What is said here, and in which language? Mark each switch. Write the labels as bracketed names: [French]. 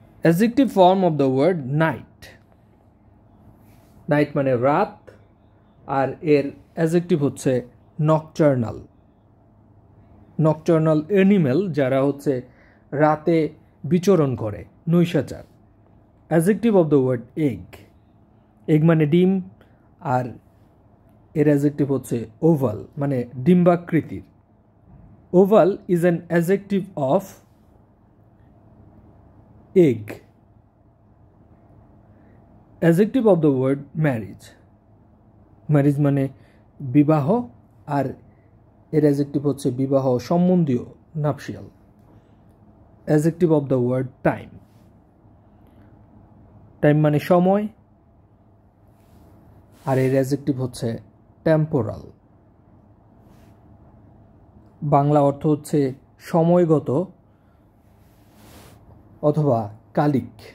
[English] Adjective form of the word night, [Bangla] night মানে রাত, আর এর adjective হচ্ছে nocturnal, nocturnal animal যারা হচ্ছে রাতে বিচরণ করে, নৈশাচার। [English] Adjective of the word egg, [Bangla] egg মানে ডিম, আর এর adjective হচ্ছে oval মানে ডিম্বাকৃতির। [English] Oval is an adjective of egg. Adjective of the word marriage, [Bangla] marriage মানে বিবাহ, আর এর adjective হচ্ছে বিবাহ সম্বন্ধীয় নাপশিয়াল। [English] Adjective of the word time, [Bangla] time মানে সময়, আর এর adjective হচ্ছে temporal, বাংলা অর্থ হচ্ছে সময়গত অথবা কালিক।